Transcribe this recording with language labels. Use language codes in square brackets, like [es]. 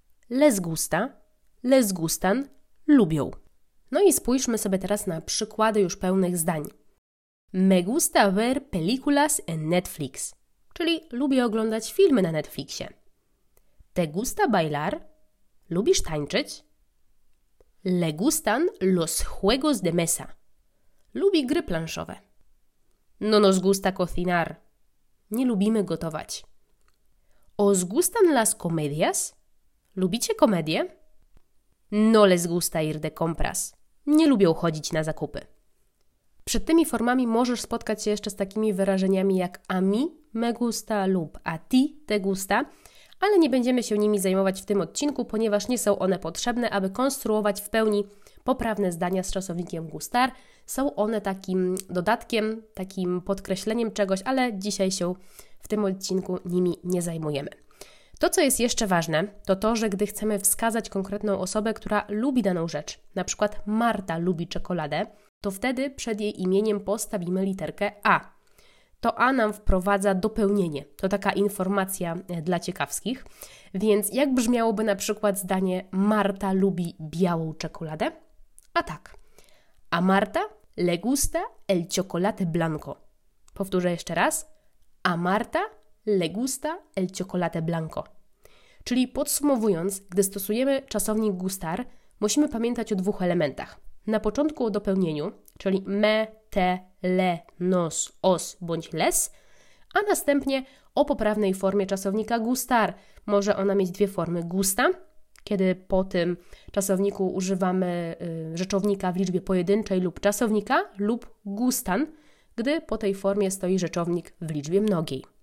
[es] Les gusta, les gustan, lubią. [pl] No i spójrzmy sobie teraz na przykłady już pełnych zdań. [es] Me gusta ver películas en Netflix, [pl] czyli lubię oglądać filmy na Netflixie. [es] Te gusta bailar? [pl] Lubisz tańczyć? [es] Le gustan los juegos de mesa. [pl] Lubi gry planszowe. [es] No nos gusta cocinar. [pl] Nie lubimy gotować. [es] Os gustan las comedias? [pl] Lubicie komedie? [es] No les gusta ir de compras. [pl] Nie lubią chodzić na zakupy. Przed tymi formami możesz spotkać się jeszcze z takimi wyrażeniami jak [es] a mi me gusta [pl] lub [es] a ti te gusta, [pl] ale nie będziemy się nimi zajmować w tym odcinku, ponieważ nie są one potrzebne, aby konstruować w pełni poprawne zdania z czasownikiem gustar. Są one takim dodatkiem, takim podkreśleniem czegoś, ale dzisiaj się w tym odcinku nimi nie zajmujemy. To, co jest jeszcze ważne, to to, że gdy chcemy wskazać konkretną osobę, która lubi daną rzecz, na przykład Marta lubi czekoladę, to wtedy przed jej imieniem postawimy literkę A. To A nam wprowadza dopełnienie. To taka informacja dla ciekawskich. Więc jak brzmiałoby na przykład zdanie Marta lubi białą czekoladę? A tak. [es] A Marta le gusta el chocolate blanco. [pl] Powtórzę jeszcze raz. [es] A Marta le gusta el chocolate blanco. [pl] Czyli podsumowując, gdy stosujemy czasownik gustar, musimy pamiętać o dwóch elementach. Na początku o dopełnieniu, czyli me, te, le, nos, os bądź les, a następnie o poprawnej formie czasownika gustar. Może ona mieć dwie formy. Gusta, kiedy po tym czasowniku używamy rzeczownika w liczbie pojedynczej lub czasownika, lub gustan, gdy po tej formie stoi rzeczownik w liczbie mnogiej.